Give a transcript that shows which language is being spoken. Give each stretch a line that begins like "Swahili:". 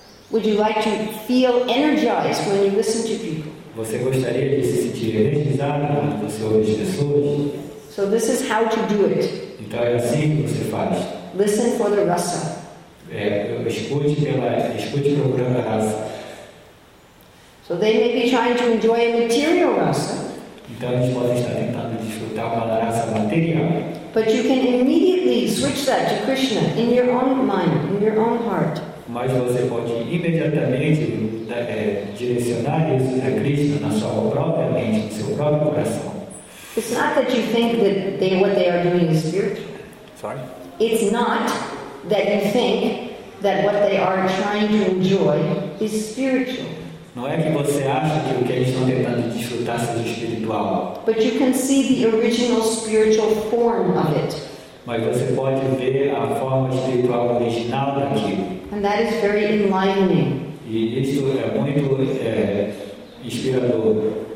English: Would you like to feel energized when you listen to people?
Portuguese: Você gostaria de se sentir energizado quando você ouve as pessoas?
English: So this is how to do it.
Portuguese: Então é assim que você faz.
English: Listen for the rasa.
Portuguese: Escute pelo grande rasa.
English: So they may be trying to enjoy a material rasa.
Portuguese: Então eles podem estar tentando desfrutar uma rasa material.
English: But you can immediately switch that to Krishna in your own mind, in your own heart.
Portuguese: Mas você pode imediatamente direcionar isso a Krishna na sua própria mente, no seu próprio coração.
English: It's not that you think that what they are doing is spiritual. Sorry? It's not that you think that what they are trying to enjoy is spiritual.
Portuguese: Não é que você acha que o que eles estão tentando desfrutar seja espiritual.
English: But you can see the original spiritual form of it.
Portuguese: Mas você pode ver a forma espiritual original daquilo.
English: And that is very enlightening.
Portuguese: E isso é muito inspirador.